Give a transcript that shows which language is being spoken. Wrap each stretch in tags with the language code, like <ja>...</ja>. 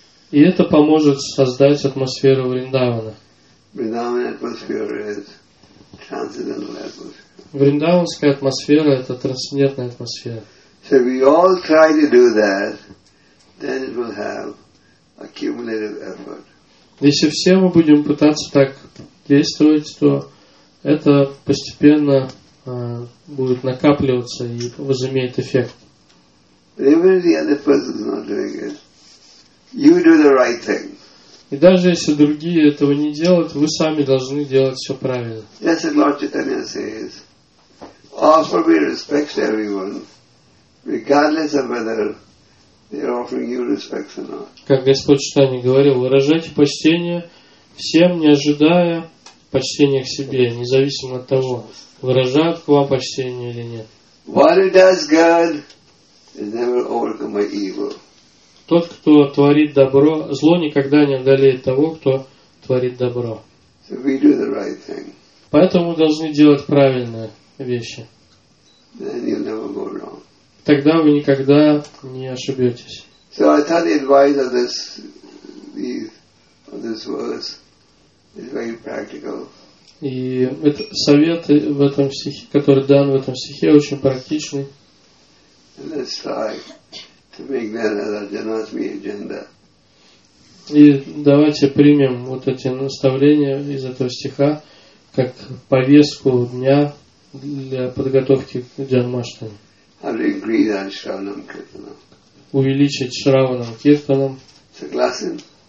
<ru>И это поможет создать атмосферу Вриндавана. Вриндаванская атмосфера – это трансцендентная атмосфера.</ru> <en>So we all try to do that, then it will have accumulative effort.</en> <ru>Если все мы будем пытаться так действовать, то это постепенно будет накапливаться и возымеет эффект.</ru> <en>But even if the other person is not doing it, you do the right thing.</en> <ru>И даже если другие этого не делают, вы сами должны делать все правильно.</ru> <en>Yes, as Lord Chaitanya says, offer me respect to everyone. Regardless of whether they're offering you respect or not.</en> <ru>Как Господь Читание говорил, выражайте почтение всем, не ожидая почтения к себе, независимо от того, выражают к вам почтение или нет.</ru> <en>What it does good is never overcome by evil.</en> <ru>Тот, кто творит добро, зло никогда не одолеет того, кто творит добро.</ru> <en>So we do the right thing.</en> <ru>Поэтому мы должны делать правильные вещи.</ru> <en>Then you'll never go wrong.</en> <ru>Тогда вы никогда не ошибетесь.</ru> <en>So I thought the advice of this verse is very practical.</en> <ru>И это совет в этом стихе, который дан в этом стихе, очень практичный.</ru> <en>Let's try to make that as our Janmasmi agenda.</en> <ru>И давайте примем вот эти наставления из этого стиха как повестку дня для подготовки к Джанмаштами.</ru> <en>How to increase our Shravanam Kirtanam.</en> <ru>Увеличить Shravanam Kirtanam. Согласен?</ru>